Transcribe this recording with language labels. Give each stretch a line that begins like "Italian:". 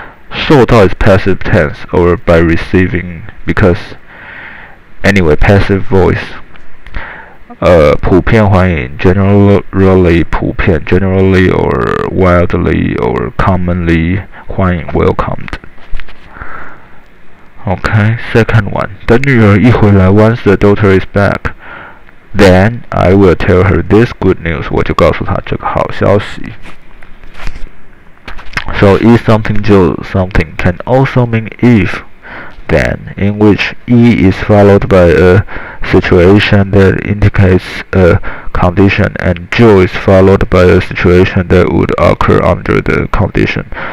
English: 受到 is passive tense, or by receiving, because anyway, passive voice, 普遍欢迎 generally 普遍 generally or widely or commonly 欢迎 welcomed. Okay, second one.
Chinese: 等女儿一回来
English: once the daughter is back, then I will tell her this good news.
Chinese: 我就告诉她这个好消息。
English: So, is something 就 something can also mean if, then, in which E is followed by a situation that indicates a condition, and 就 is followed by a situation that would occur under the condition.